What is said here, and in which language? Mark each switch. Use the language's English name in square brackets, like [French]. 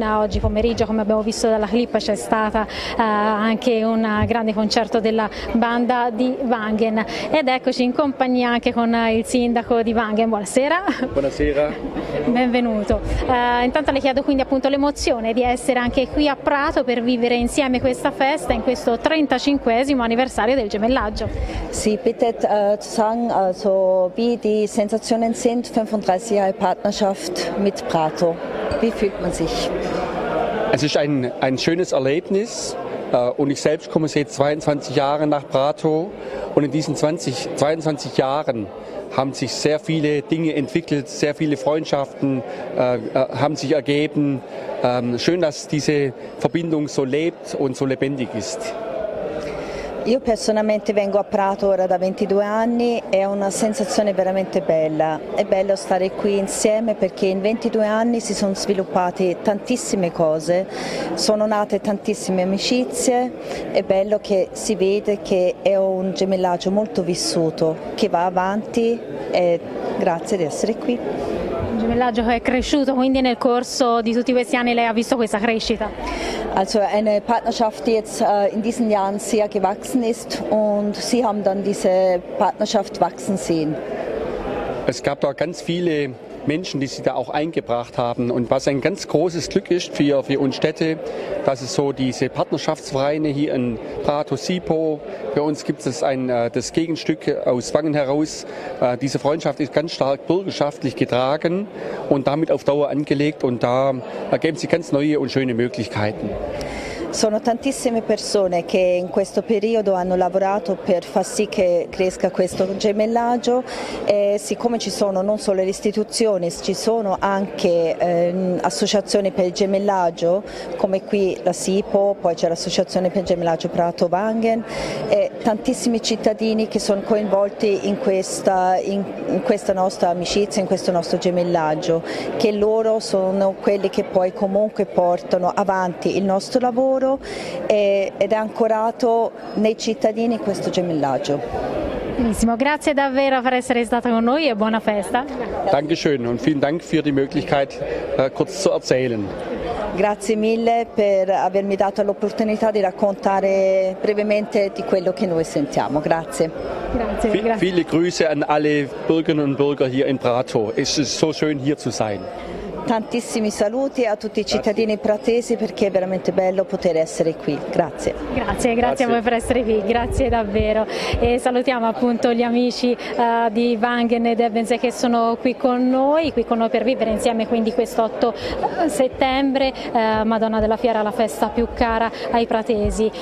[Italian] Oggi pomeriggio, come abbiamo visto dalla clip, c'è stata anche un grande concerto della banda di Wangen, ed eccoci in compagnia anche con il sindaco di Wangen. Buonasera. Buonasera. Benvenuto. Intanto le chiedo quindi appunto l'emozione di essere anche qui a Prato per vivere insieme questa festa in questo 35esimo anniversario del gemellaggio. [German] Sì, bitte zu sagen, also wie die Sensationen sind, 35 Jahre Partnerschaft mit Prato. Wie fühlt man sich? Es ist ein schönes Erlebnis. Und ich selbst komme seit 22 Jahren nach Prato, und in diesen 22 Jahren haben sich sehr viele Dinge entwickelt, sehr viele Freundschaften haben sich ergeben. Schön, dass diese Verbindung so lebt und so lebendig ist. [Italian] Io personalmente vengo a Prato ora da 22 anni e è una sensazione veramente bella. È bello stare qui insieme perché in 22 anni si sono sviluppate tantissime cose, sono nate tantissime amicizie. È bello che si vede che è un gemellaggio molto vissuto, che va avanti, e grazie di essere qui. Un gemellaggio che è cresciuto, quindi nel corso di tutti questi anni lei ha visto questa crescita? [German] Also eine Partnerschaft, die jetzt in diesen Jahren sehr gewachsen ist und Sie haben dann diese Partnerschaft wachsen sehen. Es gab da ganz viele Menschen, die Sie da auch eingebracht haben und was ein ganz großes Glück ist für uns Städte, dass es so diese Partnerschaftsvereine hier in Prato-Sipo, bei uns gibt es das Gegenstück aus Wangen heraus, diese Freundschaft ist ganz stark bürgerschaftlich getragen und damit auf Dauer angelegt und da ergeben sich ganz neue und schöne Möglichkeiten. [Italian] Sono tantissime persone che in questo periodo hanno lavorato per far sì che cresca questo gemellaggio e siccome ci sono non solo le istituzioni, ci sono anche associazioni per il gemellaggio come qui la SIPO, poi c'è l'associazione per il gemellaggio Prato Wangen e tantissimi cittadini che sono coinvolti in questa nostra amicizia, in questo nostro gemellaggio, che loro sono quelli che poi comunque portano avanti il nostro lavoro ed è ancorato nei cittadini questo gemellaggio. Benissimo, grazie davvero per essere stata con noi e buona festa. [German] Dankeschön und vielen Dank für die Möglichkeit, kurz zu erzählen. [Italian] Grazie mille per avermi dato l'opportunità di raccontare brevemente di quello che noi sentiamo. Grazie. Grazie. [German] Viele Grüße an alle Bürgerinnen und Bürger hier in Prato. Es ist so schön hier zu sein. [Italian] Tantissimi saluti a tutti i cittadini pratesi perché è veramente bello poter essere qui. Grazie. Grazie, grazie a voi per essere qui, grazie davvero. E salutiamo appunto gli amici di Wangen e Debbense che sono qui con noi per vivere insieme quindi questo 8 settembre, Madonna della Fiera, la festa più cara ai pratesi.